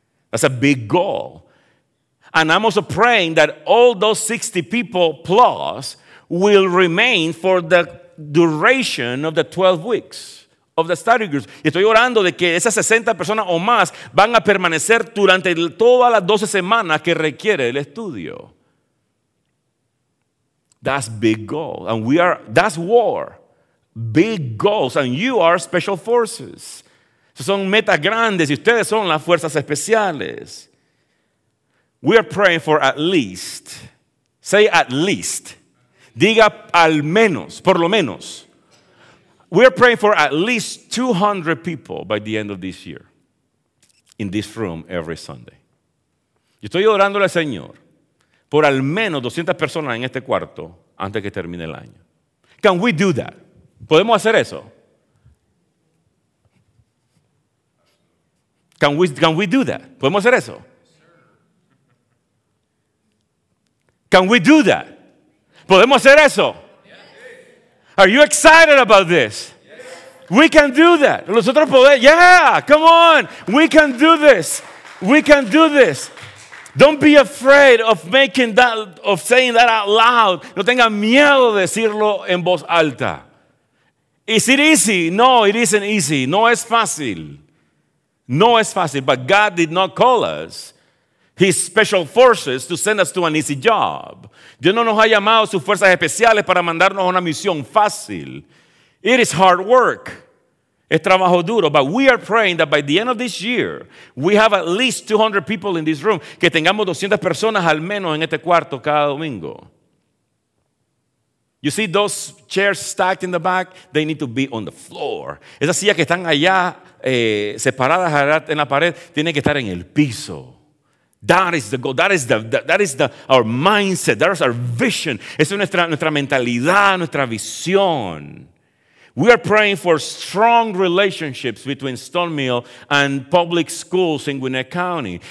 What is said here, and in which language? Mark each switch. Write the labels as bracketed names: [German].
[English] That's a big goal. And I'm also praying that all those 60 people plus will remain for the duration of the 12 weeks of the study groups. [Spanish] Estoy orando de que esas 60 personas o más van a permanecer durante todas las 12 semanas que requiere el estudio. [English] That's big goal. And we are, that's war. Big goals. And you are special forces. [Spanish] So son metas grandes y ustedes son las fuerzas especiales. [English] We are praying for at least, say at least, [Spanish] diga al menos, por lo menos. [English] We are praying for at least 200 people by the end of this year in this room every Sunday. [Spanish] Yo estoy orando al Señor por al menos 200 personas en este cuarto antes que termine el año. [English] Can we do that? [Spanish] ¿Podemos hacer eso? [English] Can we do that? [Spanish] ¿Podemos hacer eso? [English] Can we do that? [Spanish] ¿Podemos hacer eso? [English] Are you excited about this? We can do that. [Spanish] ¿Nosotros podemos? [English] Yeah, come on. We can do this. We can do this. Don't be afraid of making that, of saying that out loud. [Spanish] No tenga miedo de decirlo en voz alta. [English] Is it easy? No, it isn't easy. [Spanish] No es fácil. No es fácil. [English] But God did not call us His special forces to send us to an easy job. [Spanish] Dios no nos ha llamado sus fuerzas especiales para mandarnos a una misión fácil. [English] It is hard work. [Spanish] Es trabajo duro. [English] But we are praying that by the end of this year, we have at least 200 people in this room. [Spanish] Que tengamos 200 personas al menos en este cuarto cada domingo. [English] You see those chairs stacked in the back? They need to be on the floor. [Spanish] Esas sillas que están allá separadas en la pared tienen que estar en el piso. [English] That is the goal. That is our mindset. That is our vision. [Spanish] Esa es nuestra mentalidad, nuestra visión. [English] We are praying for strong relationships between Stone Mill and public schools in Gwinnett County.